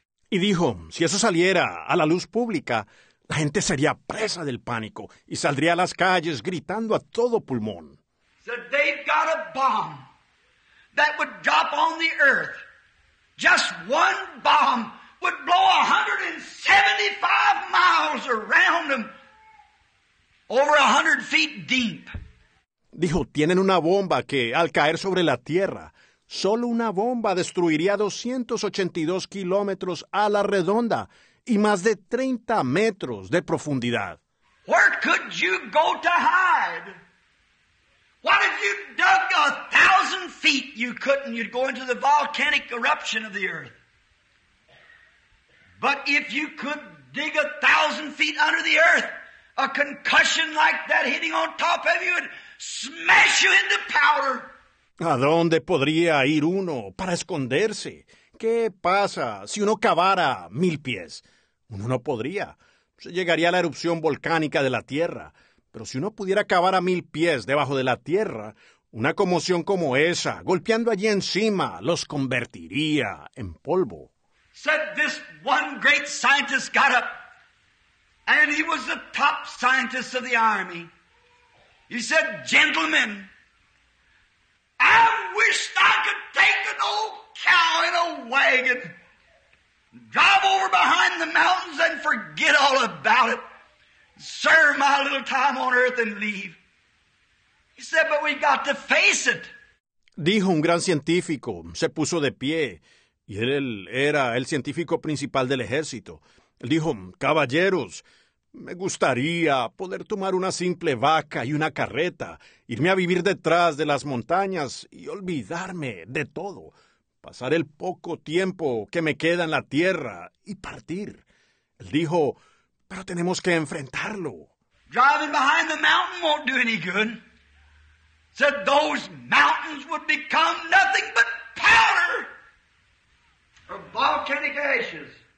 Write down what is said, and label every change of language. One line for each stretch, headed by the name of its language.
Spanish: Y dijo, si eso saliera a la luz pública, la gente sería presa del pánico y saldría a las calles gritando a todo pulmón.
English: Said they've got a bomb that would drop on the earth. Just one bomb would blow 175 miles around them. Over 100 feet deep.
Spanish: Dijo, tienen una bomba que, al caer sobre la tierra, solo una bomba destruiría 282 kilómetros a la redonda y más de 30 metros de profundidad.
English: Where could you go to hide? What if you dug 1,000 feet? You couldn't. You'd go into the volcanic eruption of the earth. But if you could dig 1,000 feet under the earth, a concussion like that hitting on top of you would smash you into powder.
Spanish: ¿A dónde podría ir uno para esconderse? ¿Qué pasa si uno cavara 1,000 pies? Uno no podría. se llegaría a la erupción volcánica de la Tierra. Pero si uno pudiera cavar a 1,000 pies debajo de la Tierra, una conmoción como esa, golpeando allí encima, los convertiría en polvo.
English: Said this one great scientist got up, and he was the top scientist of the army. He said, gentlemen, I wished I could take an old cow in a wagon, drive over behind the mountains and forget all about it, serve my little time on earth and leave. He said, but we got to face it.
Spanish: Dijo un gran científico, se puso de pie, y él era el científico principal del ejército. Él dijo, caballeros, me gustaría poder tomar una simple vaca y una carreta, irme a vivir detrás de las montañas y olvidarme de todo, pasar el poco tiempo que me queda en la tierra y partir. Él dijo, pero tenemos que enfrentarlo.
English: Driving behind the mountain won't do any good. Said those mountains would become nothing but powder or volcanic ashes.